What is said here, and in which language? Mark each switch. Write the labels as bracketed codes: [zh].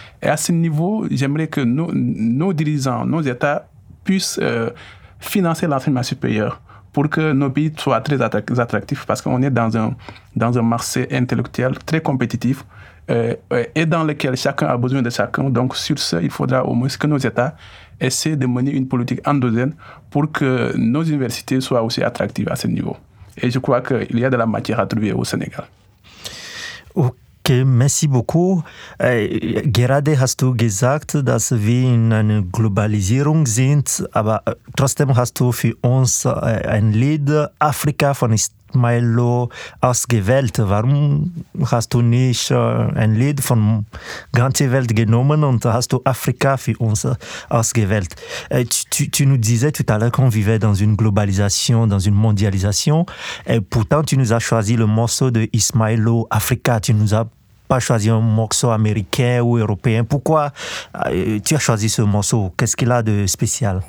[fr] Et à ce niveau, j'aimerais que nos dirigeants, nos États puissent financer l'enseignement supérieur pour que nos pays soient très attractifs parce qu'on est dans un marché intellectuel très compétitif et dans lequel chacun a besoin de chacun. Donc sur ce, il faudra au moins que nos États essayer de mener une politique endogène pour que nos universités soient aussi attractives à ce niveau. Et je crois qu'il y a de la matière à trouver au Sénégal. Ok, merci beaucoup. [de] Gerade hast du gesagt, dass wir in einer Globalisierung sind, aber trotzdem hast du für uns ein Lied Afrika von Ismaïlo ausgewählt. Warum hast du nicht ein Lied von ganzer Welt genommen und hast du Afrika für uns ausgewählt? [fr] Tu nous disais tout à l'heure qu'on vivait dans une globalisation, dans une mondialisation, et pourtant tu nous as choisi le morceau de Ismaïlo Afrika. Tu nous as pas choisi un morceau américain ou européen. Pourquoi tu as choisi ce morceau? Qu'est-ce qu'il a de spécial?